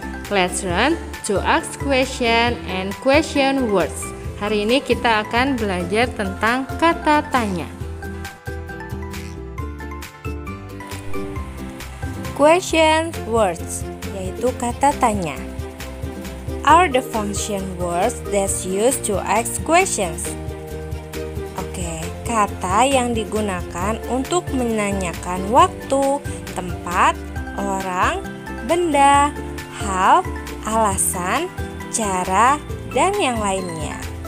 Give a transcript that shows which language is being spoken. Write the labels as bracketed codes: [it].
[en] Let's run to ask question and question words. [id] Hari ini kita akan belajar tentang kata tanya. [en] Question words, [id] yaitu kata tanya, [en] are the function words that's used to ask questions. [id] Kata yang digunakan untuk menanyakan waktu, tempat, orang, benda, hal, alasan, cara, dan yang lainnya.